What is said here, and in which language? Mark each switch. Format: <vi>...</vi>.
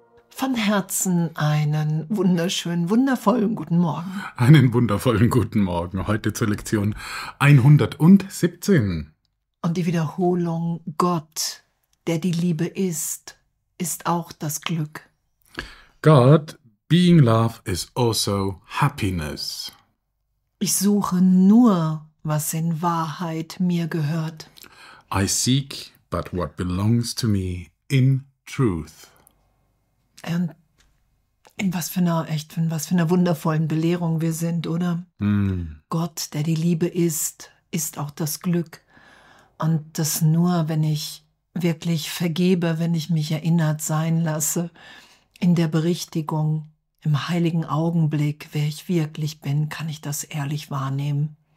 <de>Von Herzen einen wunderschönen, wundervollen guten Morgen. Einen wundervollen guten Morgen. Heute zur Lektion 117. Und die Wiederholung: Gott, der die Liebe ist, ist auch das Glück.</de> <en>God, being love, is also happiness.</en> <de>Ich suche nur, was in Wahrheit mir gehört.</de> <en>I seek but what belongs to me in truth.</en> <de>Und in was für einer wundervollen Belehrung wir sind, oder? Mm. Gott, der die Liebe ist, ist auch das Glück. Und das nur, wenn ich wirklich vergebe, wenn ich mich erinnert sein lasse, in der Berichtigung, im heiligen Augenblick, wer ich wirklich bin, kann ich das ehrlich wahrnehmen.</de>